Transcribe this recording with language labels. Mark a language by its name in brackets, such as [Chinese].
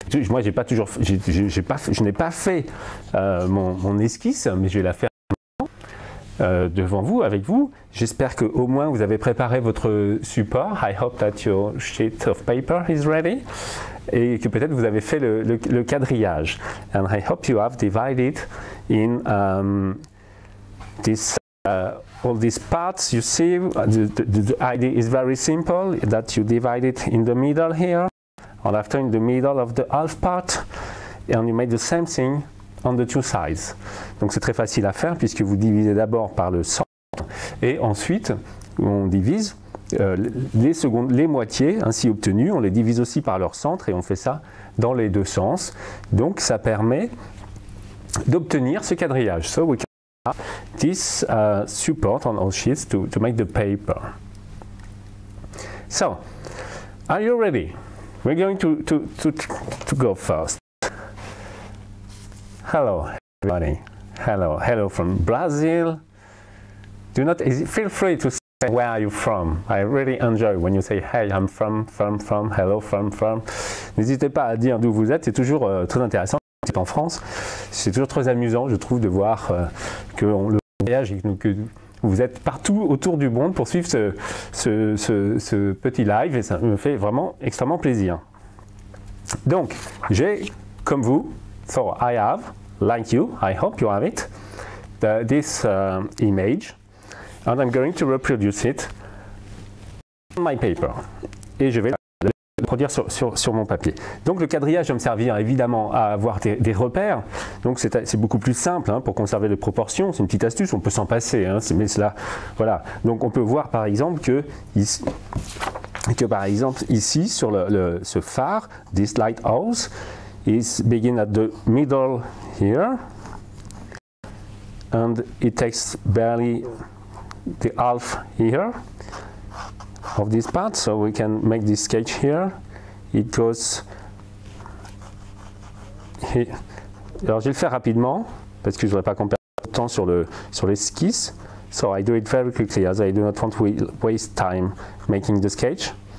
[French] Moi, j'ai pas toujours, j'ai pas, je n'ai pas fait mon esquisse, mais je vais la faire devant vous, avec vous. J'espère que au moins vous avez préparé votre support. [English] I hope that your sheet of paper is ready. [French] Et que peut-être vous avez fait le quadrillage. [English] And I hope you have divided in this all these parts. You see, the idea is very simple, that you divide it in the middle here, and after in the middle of the half part, and you make the same thing on the two sides. [French] Donc c'est très facile à faire puisque vous divisez d'abord par le centre et ensuite on divise les moitiés ainsi obtenues, on les divise aussi par leur centre et on fait ça dans les deux sens. Donc ça permet d'obtenir ce quadrillage. [English] So we can this support on all sheets to make the paper. So, are you ready? We're going to go first. Hello, everybody. Hello, hello from Brazil. Do not feel free to say where are you from. I really enjoy when you say hey, I'm from, hello from. [French] N'hésitez pas à dire d'où vous êtes, c'est toujours très intéressant. En France, c'est toujours très amusant, je trouve, de voir que le voyage et que vous êtes partout autour du monde pour suivre ce petit live, et ça me fait vraiment extrêmement plaisir. Donc, j'ai comme vous, [English] so I have, like you, I hope you have it, this image, and I'm going to reproduce it on my paper. [French] Et je vais produire sur mon papier. Donc le quadrillage va me servir évidemment à avoir des repères. Donc c'est beaucoup plus simple pour conserver les proportions. C'est une petite astuce, on peut s'en passer. Mais cela, voilà. Donc on peut voir par exemple que par exemple ici sur ce phare, [English] this lighthouse, is begin at the middle here, and it takes barely the half here of this part, so we can make this sketch here. It goes here. [French] Alors je vais le faire rapidement parce que je ne voudrais pas qu'on perde de temps sur l'esquisse. [English] So I do it very quickly as I do not want to waste time making the sketch.